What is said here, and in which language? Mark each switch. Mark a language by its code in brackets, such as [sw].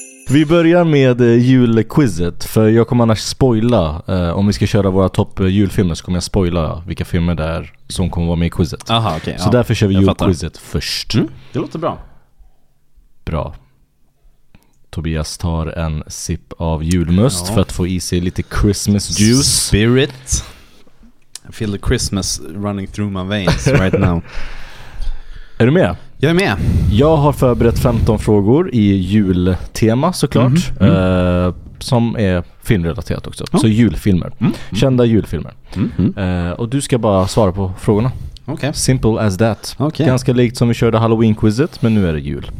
[sv] Vi börjar med julquizet, för jag kommer annars spoila, om vi ska köra våra topp julfilmer så kommer jag spoila vilka filmer det är som kommer vara med i quizet. Aha, okay, så därför kör vi julquizet först. Mm, det låter bra. Bra. Tobias tar en sipp av julmust för att få i sig lite [en] Christmas juice. Spirit. I feel the Christmas running through my veins right now. [sv] Är du med? Jag är med. Jag har förberett 15 frågor i jultema såklart. Som är filmrelaterat också. Så julfilmer. Kända julfilmer. Och du ska bara svara på frågorna. [en] Okay. Simple as that. Okay. [sv] Ganska likt som vi körde Halloween-quizet, men nu är det jul.